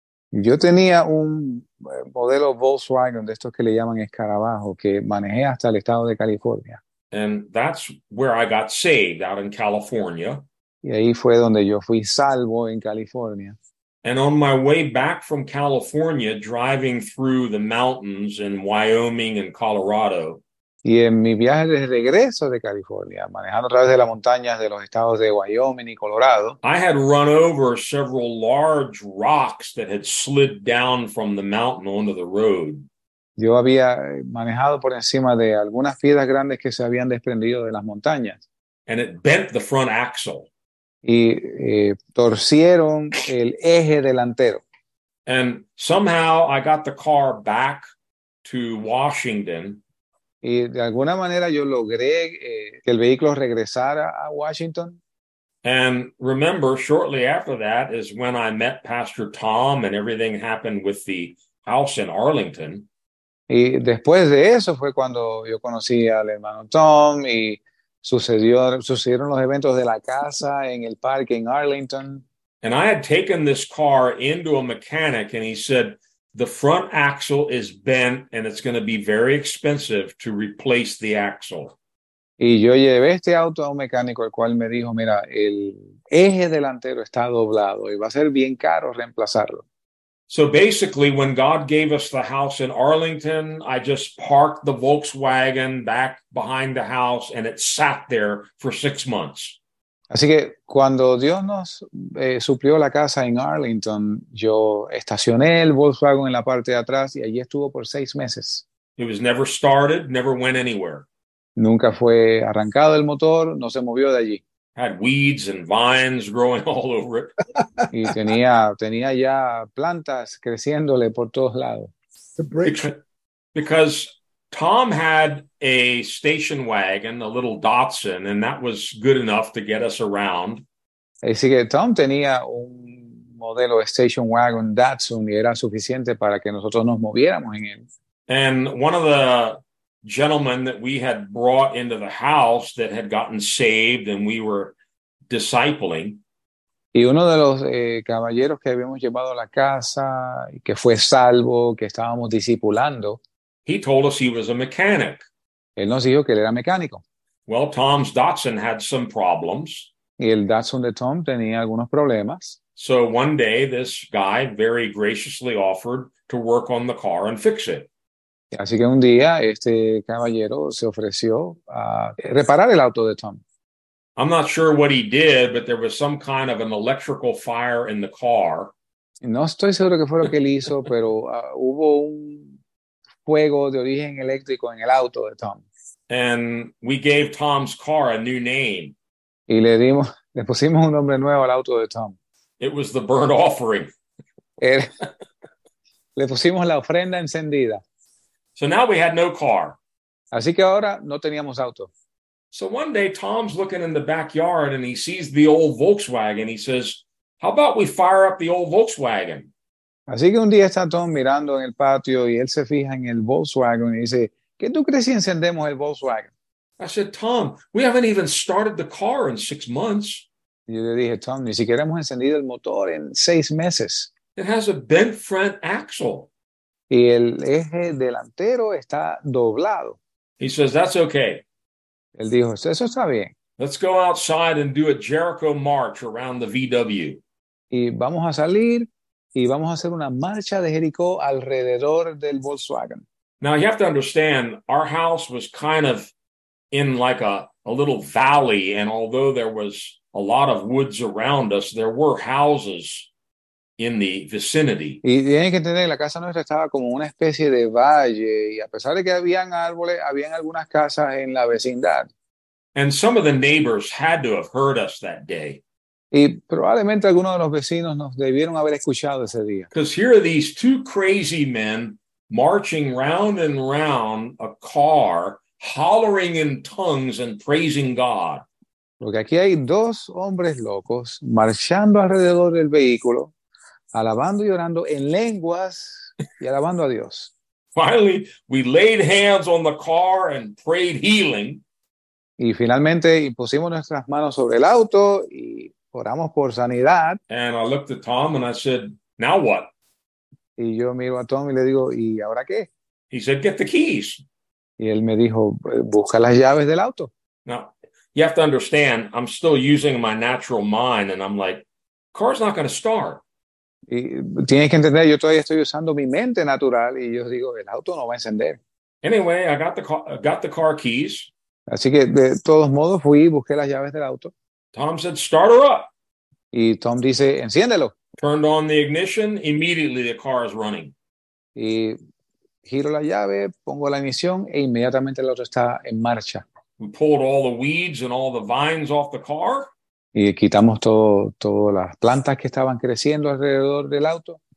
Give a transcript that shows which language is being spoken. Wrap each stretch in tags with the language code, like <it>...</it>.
<es>Yo tenía un modelo Volkswagen de estos que le llaman escarabajo que manejé hasta el estado de California.</es> <en>And that's where I got saved, out in California.</en> <es>Y ahí fue donde yo fui salvo en California.</es> <en>And on my way back from California, driving through the mountains in Wyoming and Colorado.</en> <es>Y en mi viaje de regreso de California, manejando a través de las montañas de los estados de Wyoming y Colorado.</es> <en>I had run over several large rocks that had slid down from the mountain onto the road.</en> <es>Yo había manejado por encima de algunas piedras grandes que se habían desprendido de las montañas.</es> <en>And it bent the front axle.</en> <es>Y torcieron el eje delantero.</es> <en>And somehow I got the car back to Washington.</en> <es>Y de alguna manera yo logré que el vehículo regresara a Washington.</es> <en>And remember, shortly after that is when I met Pastor Tom and everything happened with the house in Arlington.</en> <es>Y después de eso fue cuando yo conocí al hermano Tom y sucedieron los eventos de la casa en el parque en Arlington.</es> <en>And I had taken this car into a mechanic and he said, the front axle is bent and it's going to be very expensive to replace the axle.</en> <es>Y yo llevé este auto a un mecánico, el cual me dijo, mira, el eje delantero está doblado y va a ser bien caro reemplazarlo.</es> <en>So basically, when God gave us the house in Arlington, I just parked the Volkswagen back behind the house and it sat there for 6 months.</en> <es>Así que cuando Dios nos suplió la casa en Arlington, yo estacioné el Volkswagen en la parte de atrás y allí estuvo por 6 meses.</es> <en>It was never started, never went anywhere.</en> <es>Nunca fue arrancado el motor, no se movió de allí.</es> <en>Had weeds and vines growing all over it.</en> <es>Y tenía ya plantas creciéndole por todos lados.</es> <en>Because Tom had a station wagon, a little Datsun, and that was good enough to get us around.</en> <es>Así que Tom tenía un modelo de station wagon Datsun y era suficiente para que nosotros nos moviéramos en él.</es> <en>And one of the gentlemen that we had brought into the house that had gotten saved and we were discipling.</en> <es>Y uno de los caballeros que habíamos llevado a la casa y que fue salvo, que estábamos discipulando.</es> <en>He told us he was a mechanic.</en> <es>Él nos dijo que él era mecánico.</es> <en>Well, Tom's Datsun had some problems.</en> <es>Y el Datsun de Tom tenía algunos problemas.</es> <en>So one day this guy very graciously offered to work on the car and fix it.</en> <es>Así que un día este caballero se ofreció a reparar el auto de Tom.</es> <en>I'm not sure what he did, but there was some kind of an electrical fire in the car.</en> <es>No estoy seguro qué fue lo que él hizo, pero hubo un fuego de origen eléctrico en el auto de Tom.</es> <en>And we gave Tom's car a new name.</en> <es>Y le pusimos un nombre nuevo al auto de Tom.</es> <en>It was the burnt offering.</en> <es>Le pusimos la ofrenda encendida.</es> <en>So now we had no car.</en> <es>Así que ahora no teníamos auto.</es> <en>So one day Tom's looking in the backyard and he sees the old Volkswagen. He says, how about we fire up the old Volkswagen?</en> <es>Así que un día está Tom mirando en el patio y él se fija en el Volkswagen y dice, ¿qué tú crees si encendemos el Volkswagen?</es> <en>I said, Tom, we haven't even started the car in 6 months.</en> <es>Y yo le dije, Tom, ni siquiera hemos encendido el motor en 6 meses.</es> <en>It has a bent front axle.</en> <es>Y el eje delantero está doblado.</es> <en>He says, that's okay.</en> <es>Él dijo, eso está bien.</es> <en>Let's go outside and do a Jericho march around the VW.</en> <es>Y vamos a salir y vamos a hacer una marcha de Jericó alrededor del Volkswagen.</es> <en>Now you have to understand, our house was kind of in like a little valley. And although there was a lot of woods around us, there were houses in the vicinity.</en> <es>Y tienen que entender, la casa nuestra estaba como una especie de valle. Y a pesar de que habían árboles, habían algunas casas en la vecindad.</es> <en>And some of the neighbors had to have heard us that day.</en> <es>Y probablemente algunos de los vecinos nos debieron haber escuchado ese día.</es> <en>Because here are these two crazy men marching round and round a car, hollering in tongues and praising God.</en> <es>Porque aquí hay dos hombres locos marchando alrededor del vehículo, alabando y orando en lenguas y alabando a Dios.</es> <en>Finally, we laid hands on the car and prayed healing.</en> <es>Y finalmente pusimos nuestras manos sobre el auto y oramos por sanidad.</es> <en>And I looked at Tom and I said, now what?</en> <es>Y yo miro a Tom y le digo, ¿y ahora qué?</es> <en>He said, get the keys.</en> <es>Y él me dijo, busca las llaves del auto.</es> <en>Now, you have to understand, I'm still using my natural mind and I'm like, car's not going to start.</en> <es>Y tienes que entender, yo todavía estoy usando mi mente natural y yo digo, el auto no va a encender.</es> <en>Anyway, I got the car keys.</en> <es>Así que de todos modos fui y busqué las llaves del auto.</es> <en>Tom said, start her up.</en> <es>Y Tom dice, enciéndelo.</es> <en>Turned on the ignition, immediately the car is running.</en> <es>Y giro la llave, pongo la ignición e inmediatamente el auto está en marcha.</es> <en>We pulled all the weeds and all the vines off the car.</en> <es>Y quitamos todas las plantas que estaban creciendo alrededor del auto.</es>